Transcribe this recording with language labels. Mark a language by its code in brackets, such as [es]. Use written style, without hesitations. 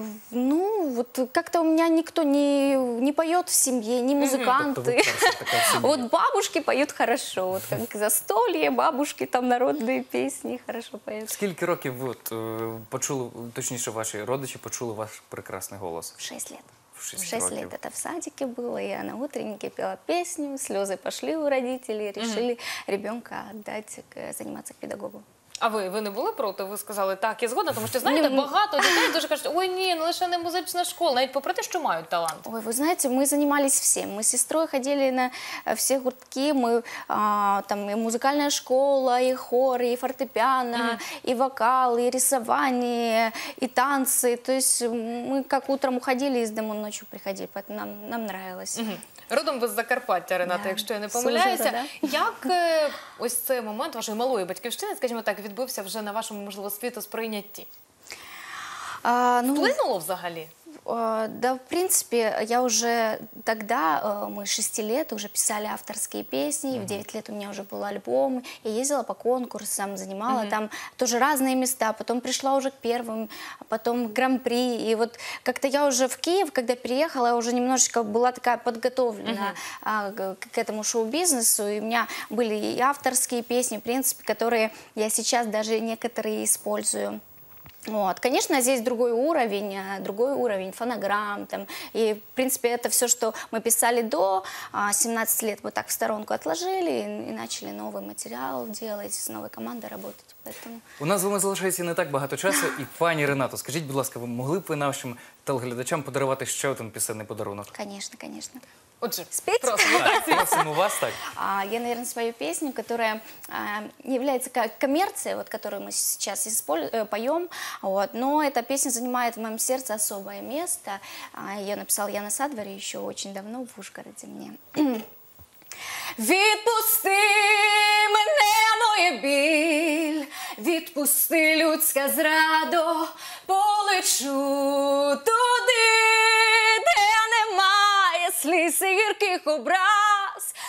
[ru] Ну, вот как-то у меня никто не поет в семье, не музыканты. Вот бабушки поют хорошо, вот как застолье, бабушки там народные песни хорошо поют. [uk] Скільки років ви от почули, точніше, ваші родичі почули ваш прекрасний голос? [ru] 6 лет. В 6 лет это в садике было, я на утреннике пела песню, слезы пошли у родителей, решили ребенка отдать заниматься к педагогу. [uk] А ви не були проти? Ви сказали, так, я згодна, тому що, знаєте, багато дітей дуже кажуть, ой, ні, лише не музична школа, навіть попри те, що мають талант. Ой, ви знаєте, ми займалися всім. Ми з сестрою ходили на всі гуртки, ми, там і музикальна школа, і хор, і фортепіано, і вокал, і рисування, і танці. Тобто ми як утром ходили з дому, ночі приходили, тому нам подобалося. Родом ви з Закарпаття, Рената, якщо я не помиляюся. Як ось цей момент вашої малої батьківщини, скажімо так, відбився вже на вашому, можливо, світосприйнятті? Вплинуло взагалі? [ru] Да, в принципе, я уже тогда, мы 6 лет уже писали авторские песни, в 9 лет у меня уже был альбом, я ездила по конкурсам, занимала там тоже разные места, потом пришла уже к первым, потом к гран-при, и вот как-то я уже в Киев, когда приехала, я уже немножечко была такая подготовлена к этому шоу-бизнесу, и у меня были и авторские песни, в принципе, которые я сейчас даже некоторые использую. Вот. Конечно, здесь другой уровень фонограмм. Там. И, в принципе, это все, что мы писали до 17 лет, мы так в сторонку отложили и начали новый материал делать, с новой командой работать. Поэтому... [uk] У нас з вами залишається не так багато часу. І, пані Ренато, скажіть, будь ласка, ви могли б ви нашим телеглядачам подарувати ще один пісенний подарунок? [ru] Конечно, конечно. [uk] Отже, просимо вас так. [ru] Я, наверное, свою песню, которая не является коммерцией, вот, которую мы сейчас поем, вот, но эта песня занимает в моем сердце особое место. Ее написал Яна Садвар еще очень давно в Ужгороде мне. [uk] Відпусти мене, моє біль, відпусти людська зрадо, полечу туди, де немає сліз і гірких образ.